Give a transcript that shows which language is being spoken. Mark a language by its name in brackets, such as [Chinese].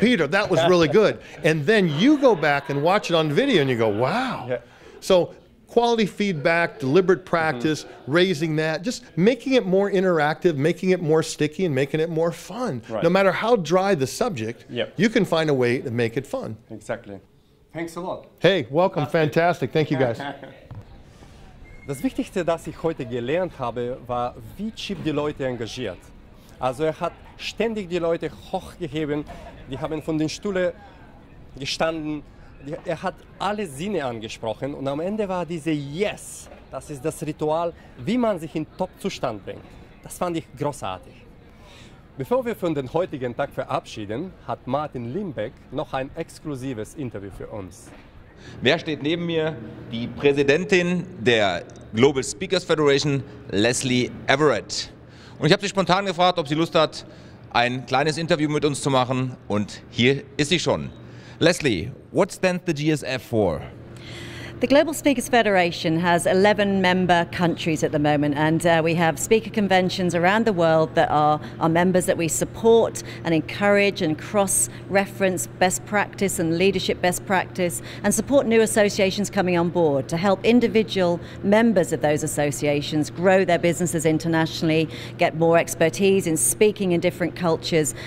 [English] Peter, that was really good. And then you go back and watch it on video and you go, wow. Yeah. So quality feedback, deliberate practice, mm-hmm, raising that, just making it more interactive, making it more sticky, and making it more fun. Right. No matter how dry the subject, yep, you can find a way to make it fun. Exactly. Thanks a lot. Hey, welcome. Fantastic. Thank you, guys. [German] Das Wichtigste, das ich heute gelernt habe, war, wie Chip die Leute engagiert. Also hat ständig die Leute hochgehoben, die haben von den Stühlen gestanden, hat alle Sinne angesprochen und am Ende war diese Yes, das ist das Ritual, wie man sich in Top-Zustand bringt. Das fand ich großartig. Bevor wir von den heutigen Tag verabschieden, hat Martin Limbeck noch ein exklusives Interview für uns. Wer steht neben mir? Die Präsidentin der Global Speakers Federation, Leslie Everett. Und ich habe sie spontan gefragt, ob sie Lust hat, ein kleines Interview mit uns zu machen und hier ist sie schon. [English] Leslie, what stands the GSF for? The Global Speakers Federation has 11 member countries at the moment, and we have speaker conventions around the world that are our members that we support and encourage and cross-reference best practice and leadership best practice and support new associations coming on board to help individual members of those associations grow their businesses internationally, get more expertise in speaking in different cultures.